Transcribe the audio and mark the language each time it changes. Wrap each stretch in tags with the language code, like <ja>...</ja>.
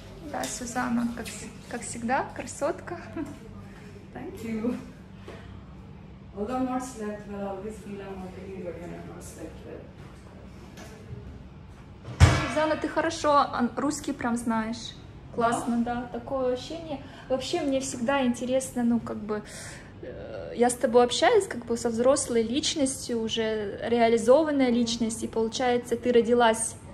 <ru>Да, Сюзанна, как всегда, красотка.</ru> <en>Thank you. Although I'm not slept well, I always feel I'm not really good when I'm not slept well.</en> <ru>Сюзанна, ты хорошо русский прям знаешь. Классно, да? Да, такое ощущение. Вообще, мне всегда интересно, ну, как бы, я с тобой общаюсь как бы со взрослой личностью, уже реализованная личность, и получается, ты родилась...</ru>